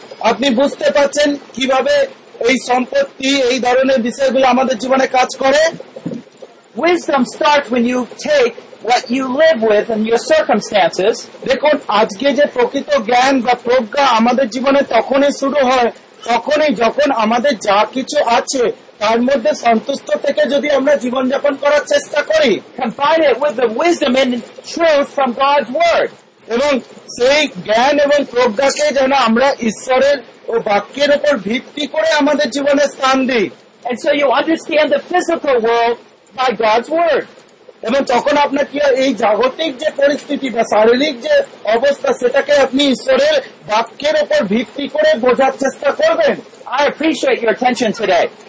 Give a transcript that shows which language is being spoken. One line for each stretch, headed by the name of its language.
Bangla: আপনি বুঝতে পারছেন কিভাবে এই সম্পত্তি, এই ধরনের বিষয়গুলো আমাদের জীবনে কাজ করে?
English: Wisdom starts when you take what you live with and your circumstances.
Bangla: দেখুন, আজকে যে প্রকৃত জ্ঞান বা প্রজ্ঞা আমাদের জীবনে তখনই শুরু হয়, তখনই যখন আমাদের যা কিছু আছে তার মধ্যে সন্তুষ্ট থেকে যদি আমরা জীবনযাপন করার চেষ্টা করি।
English: Combine it with the wisdom and truth from God's word.
Bangla: এবং সেই জ্ঞান এবং প্রজ্ঞাকে যেন আমরা ঈশ্বরের ও বাক্যের উপর ভিত্তি করে আমাদের জীবনে স্থান দিই।
English: And so you understand the physical world by God's word.
Bangla: এবং তখন আপনার কি এই জাগতিক যে পরিস্থিতি বা শারীরিক যে অবস্থা সেটাকে আপনি ঈশ্বরের বাক্যের উপর ভিত্তি করে বোঝার চেষ্টা করবেন।
English: I appreciate your attention today.